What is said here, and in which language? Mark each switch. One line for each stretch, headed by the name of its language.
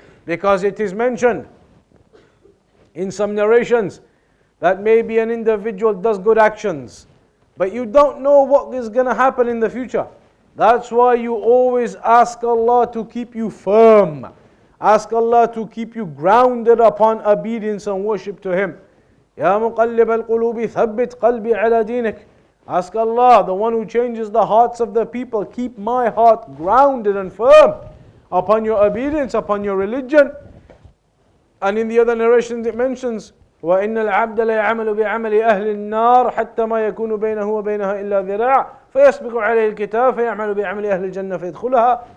English: Because it is mentioned in some narrations that maybe an individual does good actions, but you don't know what is going to happen in the future. That's why you always ask Allah to keep you firm. Ask Allah to keep you grounded upon obedience and worship to Him.
Arabic: يا مقلب القلوب ثبت قلبي على دينك.
English: Ask Allah, the one who changes the hearts of the people, keep my heart grounded and firm upon your obedience, upon your religion. And in the other narrations it mentions,
Arabic: وَإِنَّ الْعَبْدَ لَيَعْمَلُ بِعَمَلِ أَهْلِ النَّارِ حَتَّى مَا يَكُونُ بَيْنَهُ وَبَيْنَهَا إِلَّا ذِرَاعٌ فَيَسْبِقُ عَلَيْهِ الْكِتَابُ فَيَعْمَلُ بِعَمَلِ أَهْلِ الْجَنَّةِ فَيَدْخُلُهَا.